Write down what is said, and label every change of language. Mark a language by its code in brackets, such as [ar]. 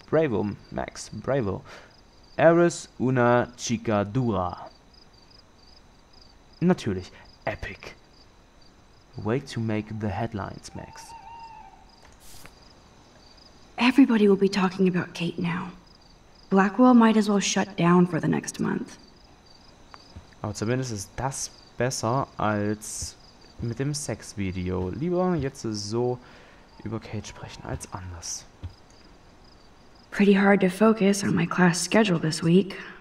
[es] Bravo, Max. Bravo. Eres una chica dura. [de] Natürlich. [es] Epic. [en] Wait to make the headlines, Max. Everybody will be talking about Kate now. Blackwell might as well shut down for the next month. [de] Aber zumindest ist das besser als mit dem Sexvideo. Lieber jetzt so über Kate sprechen als anders. [en] Pretty hard to focus on my class schedule this week.